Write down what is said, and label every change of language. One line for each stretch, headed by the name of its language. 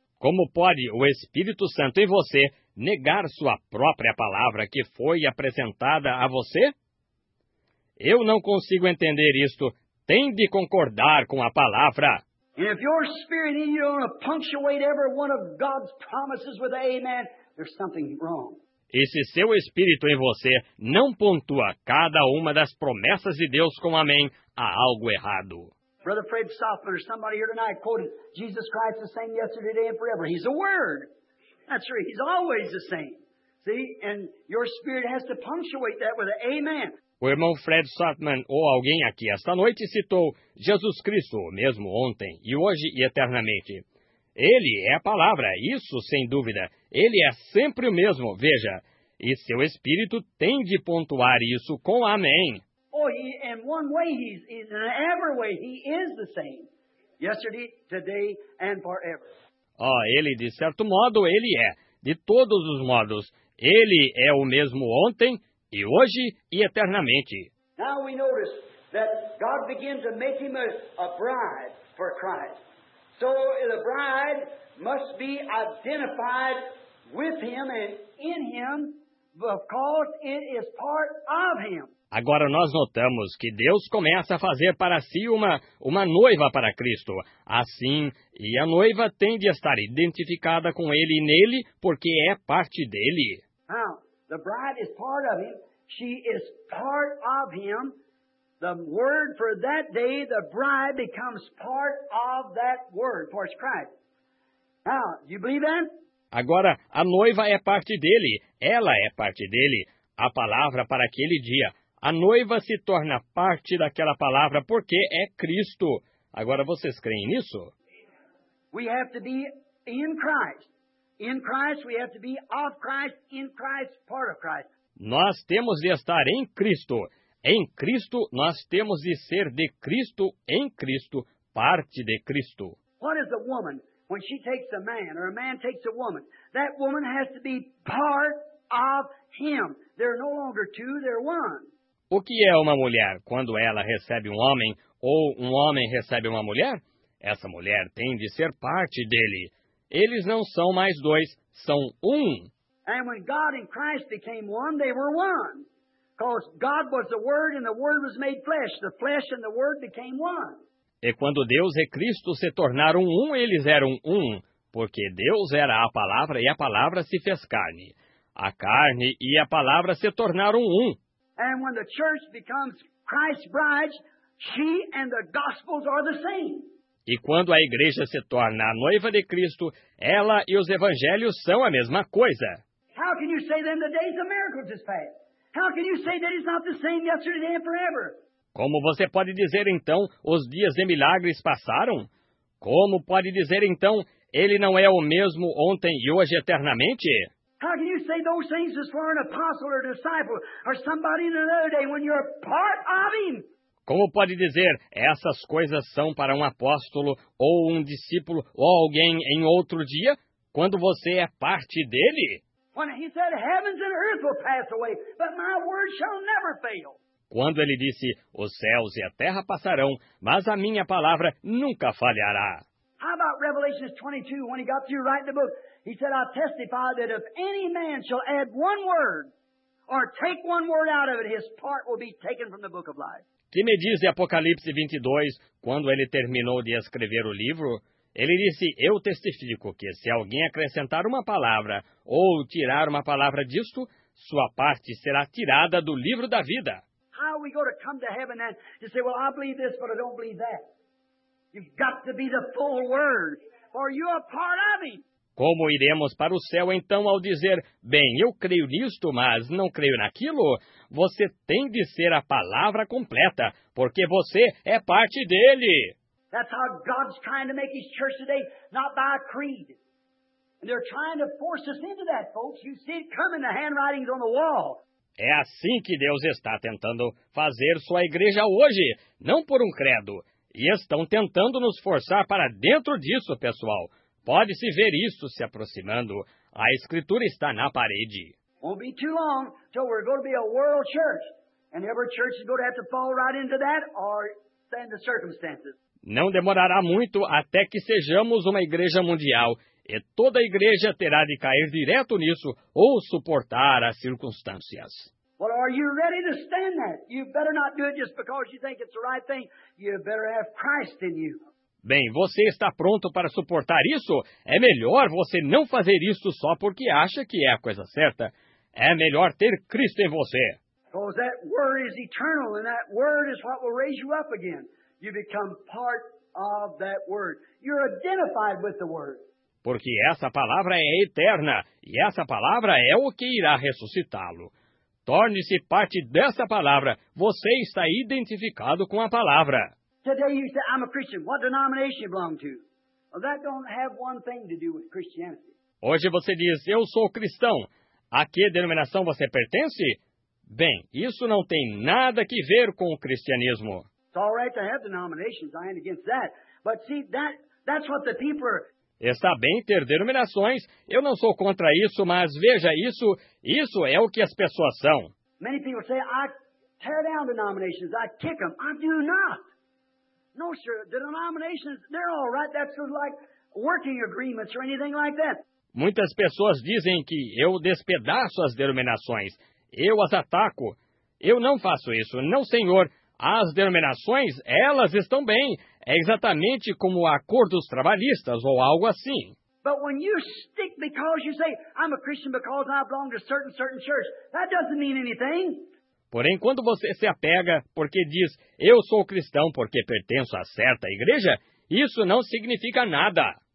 Portuguese: Como pode o Espírito Santo em você negar sua própria palavra que foi apresentada a você? Eu não consigo entender isto. Tem de concordar com a palavra.
English: And if your spirit in you don't punctuate every one of God's promises with amen, there's something wrong.
Portuguese: E se seu espírito em você não pontua cada uma das promessas de Deus com amém, há algo errado.
English: Brother Fred Stoffman or somebody here tonight quoted Jesus Christ the same yesterday, today, and forever. He's a Word. That's right. He's always the same. See? And your spirit has to punctuate that with an amen.
Portuguese: O irmão Fred Stoffman ou alguém aqui esta noite citou Jesus Cristo, mesmo ontem, e hoje e eternamente. Ele é a palavra, isso sem dúvida. Ele é sempre o mesmo, veja. E seu espírito tem de pontuar isso com amém.
English: Oh, he, in one way, he's in every way, he is the same. Yesterday, today, and forever.
Portuguese: Oh, ele, de certo modo, ele é. De todos os modos, ele é o mesmo ontem, e hoje, e eternamente.
English: Now we notice that God begins to make him a bride for Christ. So the bride must be identified with him and in him because it is part of him.
Portuguese: Agora nós notamos que Deus começa a fazer para si uma noiva para Cristo. Assim, e a noiva tem de estar identificada com ele e nele, porque é parte dele.
English: Now, the bride is part of him. She is part of him. The word for that day, the bride becomes part of that word, for it's Christ. Now, do you believe that?
Portuguese: Agora, a noiva é parte dele. Ela é parte dele. A palavra para aquele dia. A noiva se torna parte daquela palavra porque é Cristo. Agora, vocês creem nisso?
English: We have to be in Christ. In Christ, we have to be of Christ. In Christ, part of Christ.
Portuguese: Nós temos de estar em Cristo. Em Cristo, nós temos de ser de Cristo, em Cristo, parte de Cristo.
English: What is a woman when she takes a man or a man takes a woman? That woman has to be part of him. They're no longer two, they're one.
Portuguese: O que é uma mulher quando ela recebe um homem ou um homem recebe uma mulher? Essa mulher tem de ser parte dele. Eles não são mais dois, são um.
English: And when God and Christ became one, they were one. Because God was the Word and the Word was made flesh. The flesh and the Word became one.
Portuguese: E quando Deus e Cristo se tornaram um, eles eram um. Porque Deus era a palavra e a palavra se fez carne. A carne e a palavra se tornaram um.
English: And when the church becomes Christ's bride, she and the gospels are the same.
Portuguese: E quando a igreja se torna a noiva de Cristo, ela e os evangelhos são a mesma coisa.
English: How can you say then the days of miracles is past? How can you say that it's not the same yesterday, today, and forever?
Portuguese: Como você pode dizer, então, os dias de milagres passaram? Como pode dizer, então, ele não é o mesmo ontem e hoje eternamente?
English: How can you say those things as for an apostle or disciple or somebody in another day when you're part of him?
Portuguese: Como pode dizer essas coisas são para um apóstolo ou um discípulo ou alguém em outro dia quando você é parte dele?
English: When he said heavens and earth will pass away, but my word shall never fail.
Portuguese: Quando ele disse os céus e a terra passarão, mas a minha palavra nunca falhará.
English: How about Revelation 22 when he got through writing the book? He said, I testify that if any man shall add one word or take one word out of it, his part will be taken from the book of life.
Portuguese: Que me diz de Apocalipse 22, quando ele terminou de escrever o livro? Ele disse, eu testifico que se alguém acrescentar uma palavra ou tirar uma palavra disto, sua parte será tirada do livro da vida.
English: How are we going to come to heaven then to say, well, I believe this, but I don't believe that? You've got to be the full word, or you're a part of it.
Portuguese: Como iremos para o céu, então, ao dizer, bem, eu creio nisto, mas não creio naquilo? Você tem de ser a palavra completa, porque você é parte dele.
English: That's how God's trying to make his church today, not by a creed. And they're trying to force us into that, folks. You see it coming, the handwritings on the wall.
Portuguese: É assim que Deus está tentando fazer sua igreja hoje, não por um credo. E estão tentando nos forçar para dentro disso, pessoal. Pode-se ver isso se aproximando. A Escritura está na parede.
English: Won't be too long till we're going to be a world church. And every church is going to have to fall right into that or stand the circumstances.
Portuguese: Não demorará muito até que sejamos uma igreja mundial. E toda a igreja terá de cair direto nisso ou suportar as circunstâncias.
English: Well, are you ready to stand that? You better not do it just because you think it's the right thing. You better have Christ in you.
Portuguese: Bem, você está pronto para suportar isso? É melhor você não fazer isso só porque acha que é a coisa certa. É melhor ter Cristo em você.
English: Because that word is eternal, and that word is what will raise you up again. You become part of that word. You're identified with the word.
Portuguese: Porque essa palavra é eterna, e essa palavra é o que irá ressuscitá-lo. Torne-se parte dessa palavra. Você está identificado com a palavra.
English: Today you say, I'm a Christian. What denomination you belong to? Well, that don't have one thing to do with Christianity.
Portuguese: Hoje você diz, eu sou cristão. A que denominação você pertence? Bem, isso não tem nada que ver com o cristianismo.
English: It's all right to have denominations. I ain't against that. But see, that's what the people are...
Portuguese: Está bem ter denominações. Eu não sou contra isso, mas veja, isso é o que as pessoas são.
English: Many people say, I tear down denominations. I kick them. I do not. No, sir. The denominations, they're all right. That's just like working agreements or anything like that.
Portuguese: Muitas pessoas dizem que eu despedaço as denominações. Eu as ataco. Eu não faço isso. Não, senhor. As denominações, elas estão bem. É exatamente como o acordo dos trabalhistas ou algo assim.
English: But when you stick because you say, I'm a Christian because I belong to a certain church, that doesn't mean anything.
Portuguese: Porém, quando você se apega porque diz, eu sou cristão porque pertenço a certa igreja, isso não significa nada.